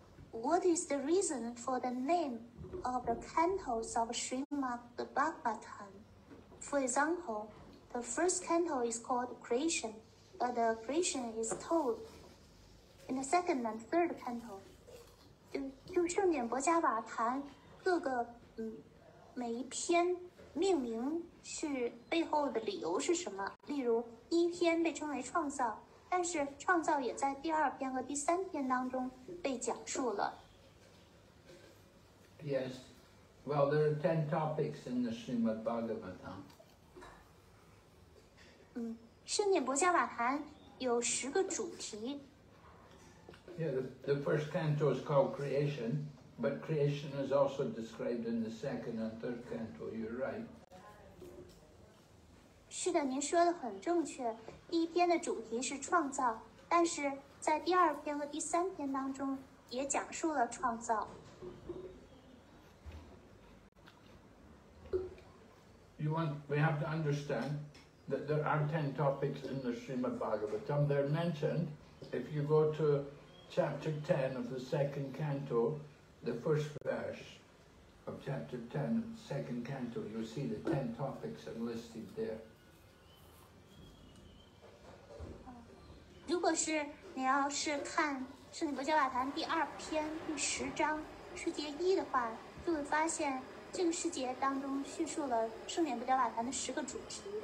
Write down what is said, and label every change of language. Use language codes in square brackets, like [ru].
[en] What is the reason for the name of the cantos of Srimad Bhagavatam? For example, the first canto is called creation, but the creation is told in the second and third canto. [zh] 就圣典博伽瓦坛各个每一篇命名是背后的理由是什么？例如第一篇被称为创造，但是创造也在第二篇和第三篇当中被讲述了。 [en] Yes, well, there are 10 topics in the Srimad Bhagavatam. [zh] 圣典博伽瓦坛有十个主题。 [en] Yeah, the first canto is called creation, but creation is also described in the second and third canto. You're right. [zh] 是的，您说的很正确。第一篇的主题是创造，但是在第二篇和第三篇当中也讲述了创造。 [en] We have to understand that there are 10 topics in the Srimad Bhagavatam. They're mentioned. If you go to chapter 10 of the second canto, the first verse of chapter 10, second canto, you'll see the 10 topics are listed there. [zh] 如果是你要是看圣典博伽瓦坛第二篇第十章世界一的话，就会发现这个世界当中叙述了圣典博伽瓦坛的十个主题。